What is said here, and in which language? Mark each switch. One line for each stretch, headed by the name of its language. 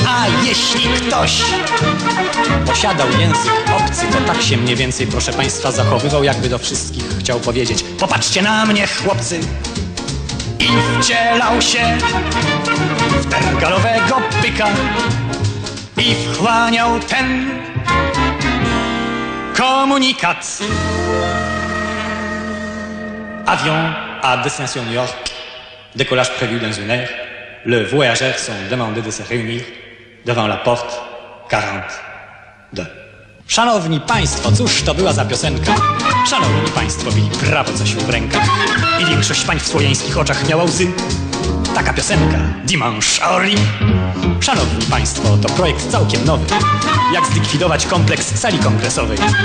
Polish: A jeśli ktoś posiadał język obcy, to tak się mniej więcej, proszę państwa, zachowywał, jakby do wszystkich chciał powiedzieć: popatrzcie na mnie, chłopcy. I wcielał się w ten galowego pyka. I wchłaniał ten komunikat.
French: Avion à destination New York. Décollage prévu dans une heure. Le voyageur sont demandés de se réunir devant la porte 42.
Polish: Szanowni Państwo, cóż to była za piosenka? Szanowni Państwo, mieli prawo coś w rękach. I większość pań w słowiańskich oczach miała łzy. Taka piosenka, Dimanche Orly. Szanowni Państwo, to projekt całkiem nowy. Jak zlikwidować kompleks sali kongresowej?